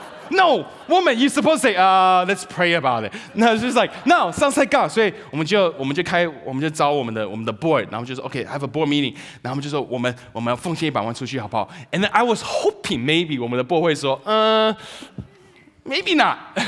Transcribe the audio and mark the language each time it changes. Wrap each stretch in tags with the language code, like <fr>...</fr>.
<en>No, woman, you're supposed to say, let's pray about it. No, it's just like, no, sounds like God.</en> <zh>所以我们就开，我们就招我们的 board, 然后就说 okay,</zh> <en>I have a board meeting.</en> <zh>然后我们就说我们要奉献100万出去好不好？</zh> <en>And I was hoping maybe</en> <zh>我们的</zh> <en>board</en> <zh>会说，</zh> <en>maybe not.</en>